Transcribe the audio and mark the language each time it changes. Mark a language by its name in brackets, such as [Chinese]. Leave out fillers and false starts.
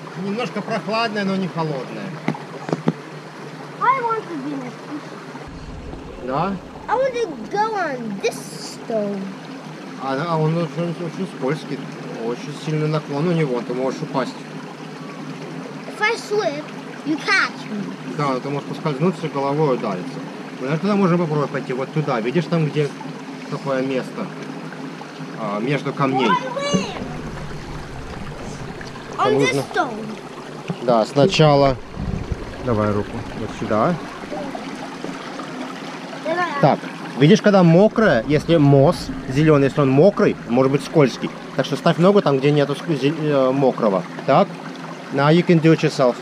[Russian] Немножко прохладное, но не холодное. [English] I want to be next. [Russian] Да? [English] I want to go on this stone. [Russian] А он очень скользкий. Очень сильный наклон у него, ты можешь упасть. [English] If I slip, you catch me. [Russian] Да, ты можешь поскользнуться и головой удариться. Знаешь, туда можно попробовать пойти, вот туда. Видишь там, где такое место? А, между камней. Там нужно... stone. Да, сначала... Давай руку вот сюда. Так, видишь, когда мокрое, если мосс зеленый, если он мокрый, может быть скользкий. Так что ставь ногу там, где нету мокрого. [English] Так, now you can do it yourself.